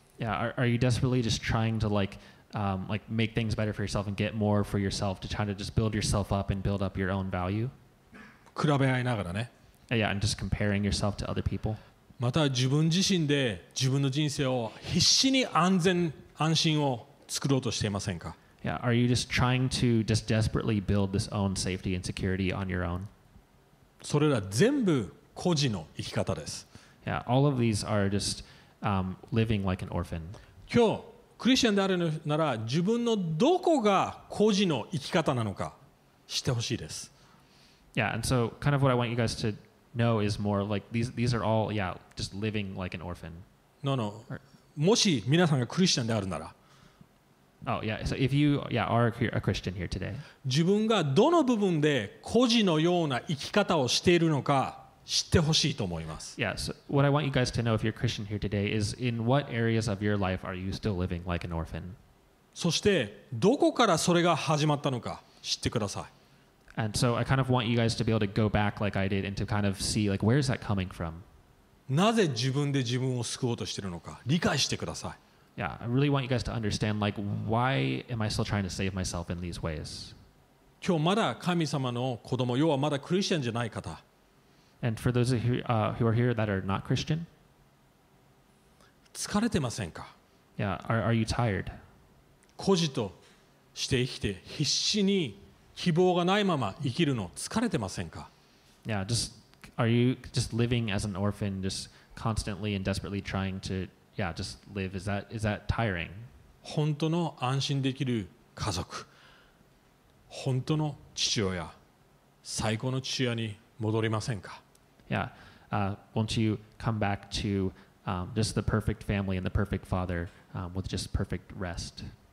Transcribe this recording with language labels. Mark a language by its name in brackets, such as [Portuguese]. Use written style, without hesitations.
[English] Yeah, are you desperately just trying to like make things better for yourself and get more for yourself to try to just build yourself up and build up your own value? [Japanese] 比べ合いながらね [English] Yeah, and just comparing yourself to other people [Japanese] また自分自身で自分の人生を必死に安全安心を作ろうとしていませんか [English] Yeah, are you just trying to just desperately build this own safety and security on your own? [Japanese] それら全部孤児の生き方です。 [English] Yeah, all of these are just living like an orphan. [Japanese] 今日、クリスチャンであるなら自分のどこが孤児の生き方なのか知ってほしいです。 [English] Yeah, and so kind of what I want you guys to know is more like these are all, yeah, just living like an orphan. No, no. [Japanese] もし皆さんがクリスチャンであるなら [English] Oh, yeah. So if you are a Christian here today, [Japanese] 自分がどの部分で孤児のような生き方をしているのか知ってほしいと思います。 [English] Yes.、Yeah, so、what I want you guys to know if you're a Christian here today is in what areas of your life are you still living like an orphan? [Japanese] そしてどこからそれが始まったのか知ってください。 [English] And so I kind of want you guys to be able to go back like I did and to kind of see like where is that coming from? [Japanese] なぜ自分で自分を救おうとしているのか理解してください。 [English] Yeah, I really want you guys to understand like why am I still trying to save myself in these ways? [Japanese] 今日まだ神様の子供、要はまだクリスチャンじゃない方。 [English] And for those of you, who are here that are not Christian, [Japanese] 疲れてませんか? [English] Yeah, are you tired? [Japanese] 孤児として生きて必死に希望がないまま生きるの疲れてませんか? [English] Yeah, just are you just living as an orphan, just constantly and desperately trying to, yeah, just live? Is that tiring? [Japanese] 本当の安心できる家族、本当の父親、最高の父親に戻りませんか? [English] Yeah, won't you come back to just the perfect family and the perfect father with just perfect rest?